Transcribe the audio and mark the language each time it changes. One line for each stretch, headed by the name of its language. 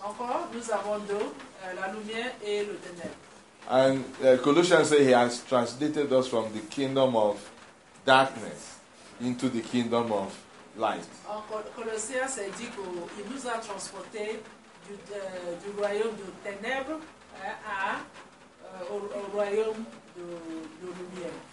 French: Encore, nous avons deux, la lumière et le ténèbre.
English: And Colossians say he has translated us from the kingdom of darkness into the kingdom of light.
French: En Colossiens, c'est dit qu'il nous a transporté du royaume de ténèbres au royaume de lumière.